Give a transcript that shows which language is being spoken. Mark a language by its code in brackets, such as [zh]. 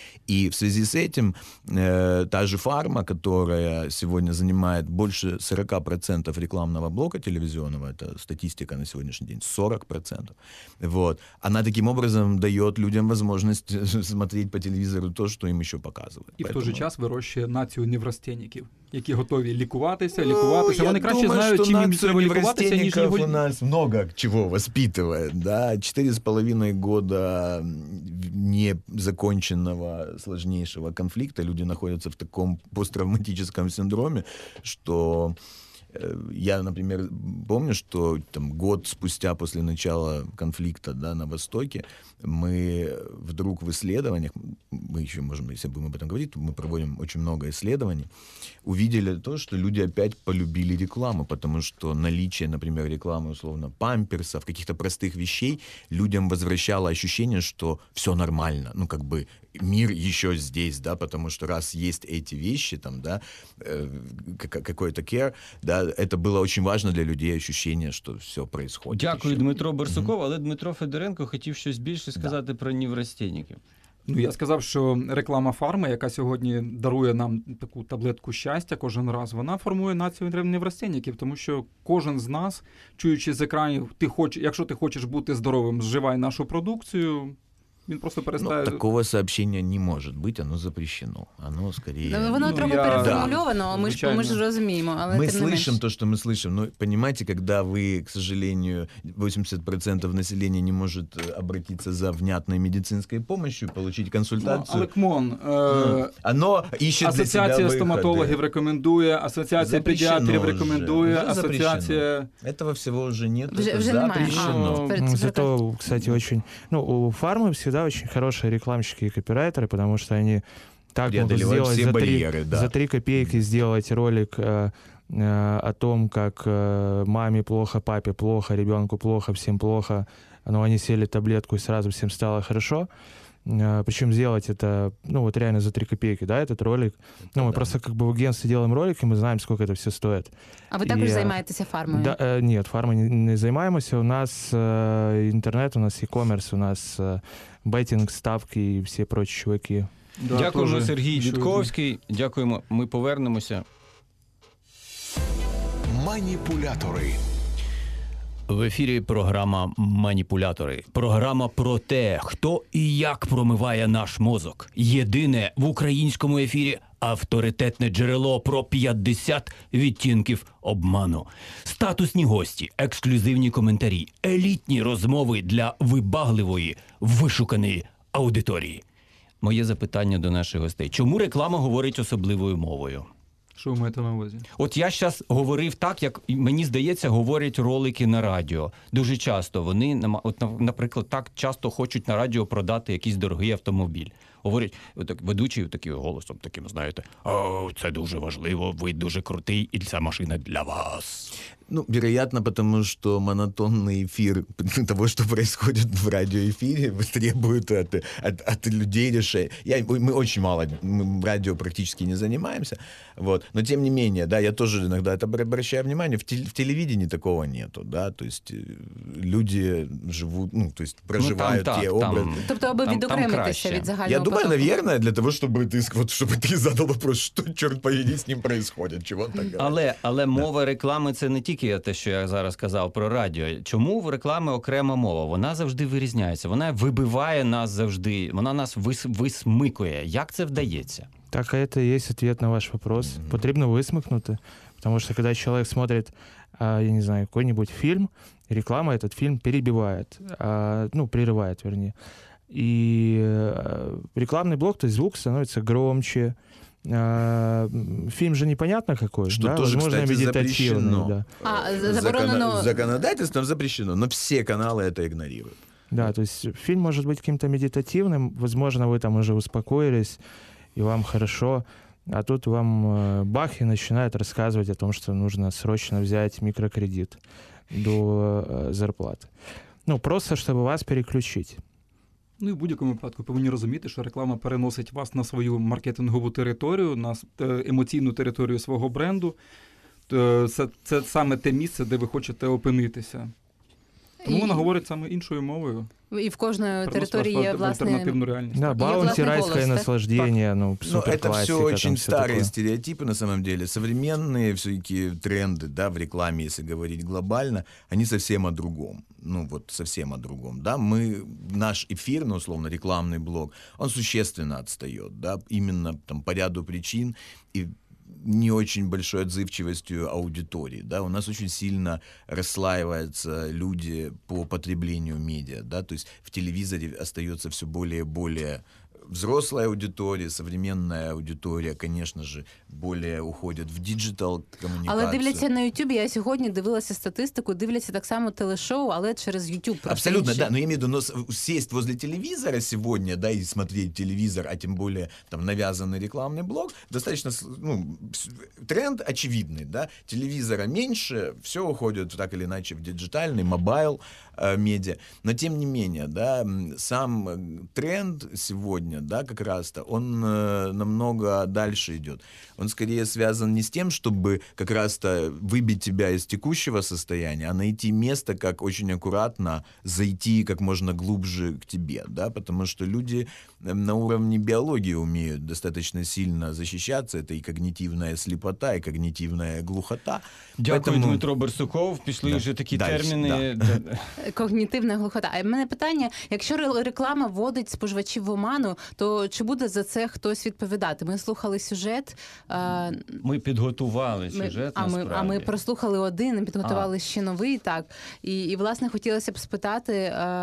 [ru] И в связи с этим та же фарма, которая сегодня занимает больше 40% рекламного блока телевизионного, это статистика на сегодняшний день, 40%, вот, она таким образом дает людям возможность смотреть по телевизору то, что им еще показывают. И поэтому [uk] в той же час вирощує націю неврастенників, які готові лікуватися, лікуватися. Ну, вони краще знають, чим їм треба лікуватися, ніж його. У нас много чого воспитує. [ru] Да? 4,5 года незаконченного сложнейшего конфликта люди находятся в таком посттравматическом синдроме, что я, например, помню, что там год спустя после начала конфликта, да, на Востоке, мы вдруг в исследованиях, мы еще можем, если будем об этом говорить, мы проводим очень много исследований, увидели то, что люди опять полюбили рекламу, потому что наличие, например, рекламы условно памперсов, каких-то простых вещей, людям возвращало ощущение, что все нормально, ну как бы мир еще здесь, да, потому что раз есть эти вещи, там, да, какой-то care, да, это было очень важно для людей, ощущение, что все происходит. [uk] Дякую, еще. Дмитро Барсуков, mm-hmm. Але Дмитро Федоренко хотів щось більше сказати, да, про неврастенників. Ну, я сказав, що реклама фарми, яка сьогодні дарує нам таку таблетку щастя кожен раз, вона формує націю неврастенників, тому що кожен з нас, чуючи з екранів, якщо ти хочеш бути здоровим, зживай нашу продукцію. Він просто перестає. Ну, такого сообщення не може бути, [ru] оно запрещено. Оно скорее. [uk] Ну, воно трохи переформульовано, да, ми ж розуміємо. Але ми слышимо то, що ми слышимо. [ru] Ну, понимаете, когда [uk] ви, [ru] к сожалению, [uk] 80% населення не може обратиться за внятною медицинською допомогою, получить консультацію. Але кмон, оно іще для себе. Асоціація стоматологів рекомендує, асоціація педіатрів рекомендує, асоціація. [ru] Этого всего уже нет. [uk] Вже запрещено. [ru] Зато, кстати, очень, ну, у фарми всегда очень хорошие рекламщики и копирайтеры, потому что они так могут сделать за три копейки сделать ролик о том, как маме плохо, папе плохо, ребенку плохо, всем плохо, но они съели таблетку и сразу всем стало хорошо. Причем сделать это, ну, вот реально за 3 копейки, да, этот ролик. Ну, мы просто как бы в агентстве делаем ролик, и мы знаем, сколько это все стоит. А вы также занимаетесь фармой? Да, нет, фармой не занимаемся. У нас интернет, у нас e-commerce, у нас беттинг, ставки и все прочие чуваки. [uk] Да, дякую, Сергій Вітковський. Дякуємо. Ми повернемося. маніпулятори. В ефірі програма «Маніпулятори». Програма про те, хто і як промиває наш мозок. Єдине в українському ефірі авторитетне джерело про 50 відтінків обману. Статусні гості, ексклюзивні коментарі, елітні розмови для вибагливої, вишуканої аудиторії. Моє запитання до наших гостей. Чому реклама говорить особливою мовою? Що ви маєте на увазі? От я зараз говорив так, як, мені здається, говорять ролики на радіо. Дуже часто вони, от, наприклад, так часто хочуть на радіо продати якийсь дорогий автомобіль. Говорять, так, ведучий таким голосом, таким, знаєте, о, це дуже важливо, ви дуже крутий, і ця машина для вас. [ru] Ну, вероятно, потому что монотонный эфир того, что происходит в радиоэфире, требует от людей решения. Мы очень мало, мы радио практически не занимаемся. Вот. Но тем не менее, да, я тоже иногда это обращаю внимание. В телевидении такого нету, да. То есть люди живут, ну, то есть проживают ну, там, те образы. То есть, чтобы [uk] відокремитися від загального. [ru] Я думаю, потока. Наверное, для того, чтобы ты, вот, чтобы ты задал вопрос, что, черт побери, с ним происходит, чего он так говорит. Але да. [uk] Мова реклами — це не тільки те, що я зараз казав про радіо. Чому в рекламі окрема мова? Вона завжди вирізняється, вона вибиває нас завжди, вона нас висмикує. Як це вдається? Так, це є відповідь на ваш вопрос. Mm-hmm. Потрібно висмикнути, тому що коли чоловік смотрить, я не знаю, який-небудь фільм, реклама цей фільм перебиває, ну, пририває, верні. І рекламний блок, тобто звук, [ru] становиться громче. Фільм же непонятно какой, что Тоже, возможно, кстати, запрещено. Да. [uk] А, заборонено... [ru] Законодательством запрещено, но все каналы это игнорируют. Да, то есть фильм может быть каким-то медитативным, возможно, вы там уже успокоились, и вам хорошо, а тут вам бах, и начинают рассказывать о том, что нужно срочно взять микрокредит до зарплаты. Ну, просто чтобы вас переключить. [uk] Ну, і в будь-якому випадку повинні розуміти, що реклама переносить вас на свою маркетингову територію, на емоційну територію свого бренду. Це саме те місце, де ви хочете опинитися. Тому вона говорить саме іншою мовою. І в кожної території є власне альтернативну реальність. [ru] Да, баунті, райське наслаждення, ну, суперкласика. [uk] Ну, це все дуже старі стереотипи, [ru] на самом деле. [uk] Современні всякі тренди, да, в рекламі, якщо говорити глобально, вони зовсім о другому. [ru] Ну, вот совсем о другом, да, мы, наш эфир, ну, условно, рекламный блок, он существенно отстает, да, именно там по ряду причин и не очень большой отзывчивостью аудитории, да, у нас очень сильно расслаиваются люди по потреблению медиа, да, то есть в телевизоре остается все более и более взрослая аудитория, современная аудитория, конечно же, более уходит в диджитал коммуникацию. [uk] Але дивляться на YouTube, я сьогодні дивилася статистику, дивляться так само телешоу, але через YouTube. Абсолютно, інші. [ru] Да, но я имею в виду, сесть возле телевизора сегодня, да, и смотреть телевизор, а тем более там навязанный рекламный блок, достаточно, ну, тренд очевидный, да, телевизора меньше, все уходит так или иначе в диджитальный, мобайл, медиа. Но тем не менее, да, сам тренд сегодня, да, как раз-то, он намного дальше идет. Он скорее связан не с тем, чтобы как раз-то выбить тебя из текущего состояния, а найти место, как очень аккуратно зайти как можно глубже к тебе, да, потому что люди на уровне биологии умеют достаточно сильно защищаться, это и когнитивная слепота, и когнитивная глухота. [uk] Дякую, [ru] поэтому... [uk] Дмитро Барсуков, пішли вже такі терміни. Да. Когнітивна глухота. А в мене питання, якщо реклама вводить споживачів в оману, то чи буде за це хтось відповідати? Ми слухали сюжет. Ми підготували сюжет, А ми прослухали один, підготували ще новий, так. І власне, хотілося б спитати...